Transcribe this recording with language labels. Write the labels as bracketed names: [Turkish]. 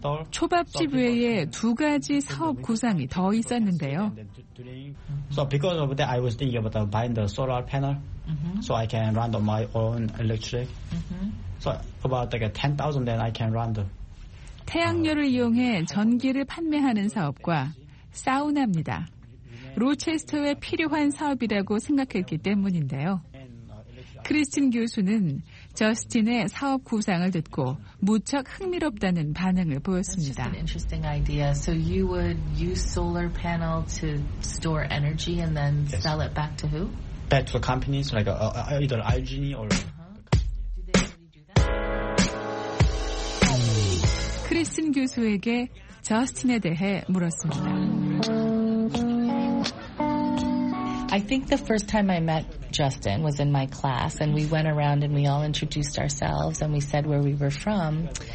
[Korean] 초밥집 외에 두 가지 사업 구상이 더 있었는데요. [English] So because of that, I was thinking about buying the solar panel, so I can run my own electric. So about like 10,000, then I can run. [Korean] 태양열을 이용해 전기를 판매하는 사업과 사우나입니다. 로체스터에 필요한 사업이라고 생각했기 때문인데요. 크리스틴 교수는 저스틴의 사업 구상을 듣고 무척 흥미롭다는 반응을 보였습니다. [English] That's just an interesting idea. So you would use solar panel to store energy and then sell it back to who? Back to the companies like either IGN or. [Korean] 크리스틴 교수에게 저스틴에 대해 물었습니다. [English] I think the first time I met Justin was in my class, and we went around and we all introduced ourselves and we said where we were from.